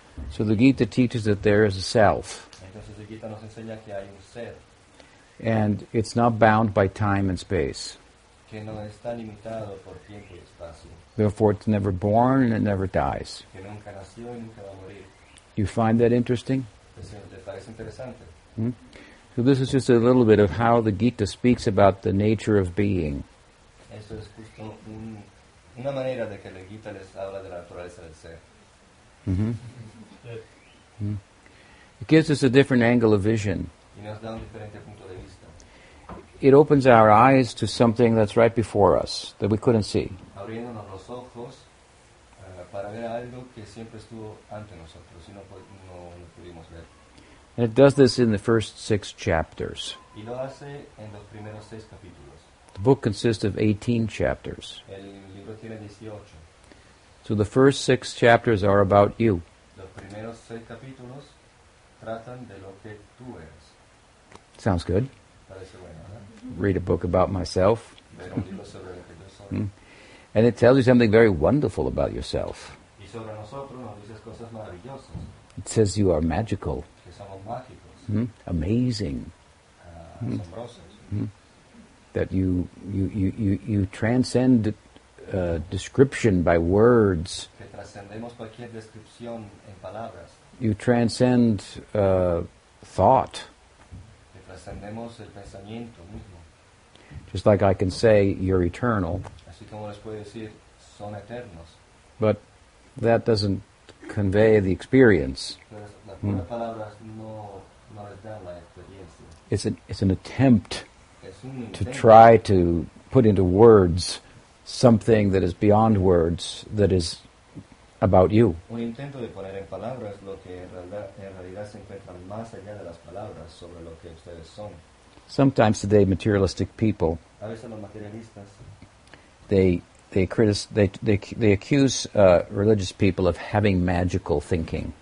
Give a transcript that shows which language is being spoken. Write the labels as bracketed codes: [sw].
[en] So the Gita teaches that there is a self. [es] Entonces el Gita nos enseña que hay un ser. [en] And it's not bound by time and space. [es] Que no está limitado por tiempo y espacio. [en] Therefore, it's never born and it never dies. [es] Que nunca nació y nunca va a morir. [en] You find that interesting? [es] ¿Te parece interesante? [en] So this is just a little bit of how the Gita speaks about the nature of being. [es] Eso es justo una manera de que la Gita les habla de la naturaleza del ser. [en] It gives us a different angle of vision. [es] Y nos da un diferente punto de vista. [en] It opens our eyes to something that's right before us that we couldn't see. [es] Abriéndonos los ojos para ver algo que siempre estuvo ante nosotros y no pudimos ver. [en] And it does this in the first six chapters. [es] Y lo hace en los primeros seis capítulos. [en] The book consists of 18 chapters. [es] El libro tiene 18. [en] So the first six chapters are about you. [es] Los primeros seis capítulos tratan de lo que tú eres. [en] Sounds good. [es] Parece bueno, ¿eh? [en] Read a book about myself. [es] Ver un libro sobre lo que yo soy. [en] And it tells you something very wonderful about yourself. [es] Y sobre nosotros nos dices cosas maravillosas. [en] It says you are magical. [es] Que somos mágicos. [en] Amazing. [es] Asombrosos. [en] That you transcend description by words. [es] Que trascendemos cualquier descripción en palabras. [en] You transcend thought. [es] Que trascendemos el pensamiento mismo. [en] Just like I can say, you're eternal. [es] Así como les puedo decir, son eternos. [en] But that doesn't convey the experience. [es] Las palabras no les dan la experiencia. [en] It's an attempt to try to put into words something that is beyond words, that is about you. [es] Un intento de poner en palabras lo que en realidad se encuentra más allá de las palabras sobre lo que ustedes son. [en] Sometimes today materialistic people, [es] a veces los materialistas, [en] they accuse religious people of having magical thinking.